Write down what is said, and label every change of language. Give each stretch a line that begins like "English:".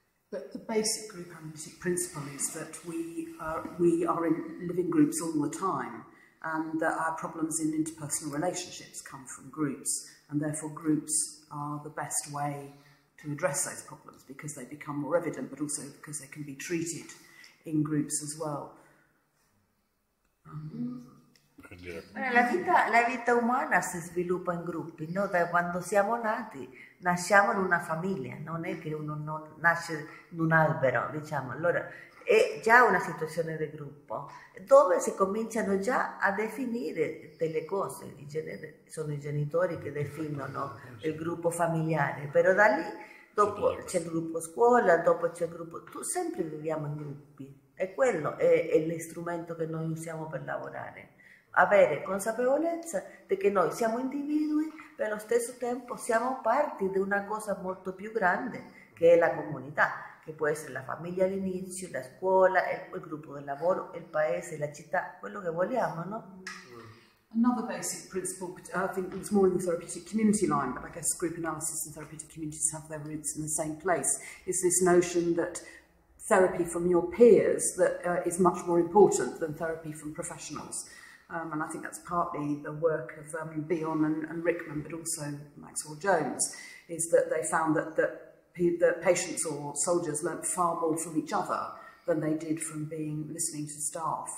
English: But the basic group analytic principle is that we are in living groups all the time, and that our problems in interpersonal relationships come from groups, and therefore groups are the best way to address those problems because they become more evident, but also because they can be treated in groups as well.
Italian: La vita umana si sviluppa in gruppi, no? Da quando siamo nati, nasciamo in una famiglia, non è che uno non nasce in un albero, diciamo. Allora è già una situazione di gruppo dove si cominciano già a definire delle cose. In genere sono i genitori che definono il gruppo familiare, però da lì dopo c'è il gruppo scuola, dopo c'è il gruppo. Tu sempre viviamo in gruppi, e quello è l'strumento che noi usiamo per lavorare. Avere consapevolezza di che noi siamo individui, ma allo stesso tempo siamo parte di una cosa molto più grande, che è la comunità, che può essere la famiglia all'inizio, la scuola, il gruppo del lavoro, il paese, la città, quello che vogliamo, no?
English: Another basic principle, I think it's more in the therapeutic community line, but I guess group analysis and therapeutic communities have their roots in the same place, is this notion that therapy from your peers that is much more important than therapy from professionals. And I think that's partly the work of Bjorn and Rickman, but also Maxwell Jones, is that they found that that patients or soldiers learnt far more from each other than they did from being listening to staff.